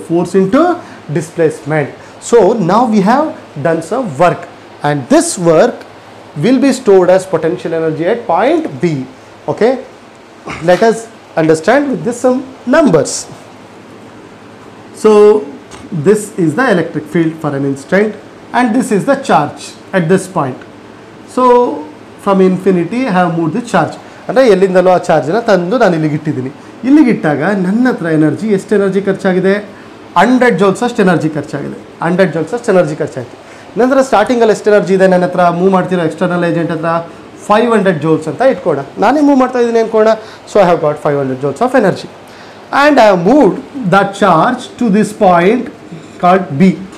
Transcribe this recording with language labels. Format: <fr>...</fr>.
<en>Force into displacement. So ನಾವ್ we have done some work and this work will be stored as potential energy at point B. Okay, let us understand with this some numbers. So this is the electric field for an instant and this is the charge at this point. So from infinity I have moved the charge.</en> <kn>ಅಂದರೆ ಎಲ್ಲಿಂದಲೋ ಆ ಚಾರ್ಜನ್ನು ತಂದು ನಾನು ಇಲ್ಲಿಗಿಟ್ಟಿದ್ದೀನಿ. ಇಲ್ಲಿಗಿಟ್ಟಾಗ ನನ್ನ ಹತ್ರ energy ಎಷ್ಟು energy ಖರ್ಚಾಗಿದೆ? 100 joules ಅಷ್ಟು energy ಖರ್ಚಾಗಿದೆ. 100 joules ಅಷ್ಟು ಎನರ್ಜಿ ಖರ್ಚಾಯಿತು. ನಂತರ ಸ್ಟಾರ್ಟಿಂಗಲ್ಲಿ ಎಷ್ಟು ಎನರ್ಜಿ ಇದೆ ನನ್ನ ಹತ್ರ? ಮೂವ್ ಮಾಡ್ತಿರೋ ಎಕ್ಸ್ಟರ್ನಲ್ ಏಜೆಂಟ್ ಹತ್ರ 500 ಜೌಲ್ಸ್ ಅಂತ ಇಟ್ಕೋಣ. ನಾನೇ ಮೂವ್ ಮಾಡ್ತಾ ಇದ್ದೀನಿ ಅಂದ್ಕೋಣ.</kn> <en>So I have got 500 joules of energy and I have moved the charge to this point called B.</en>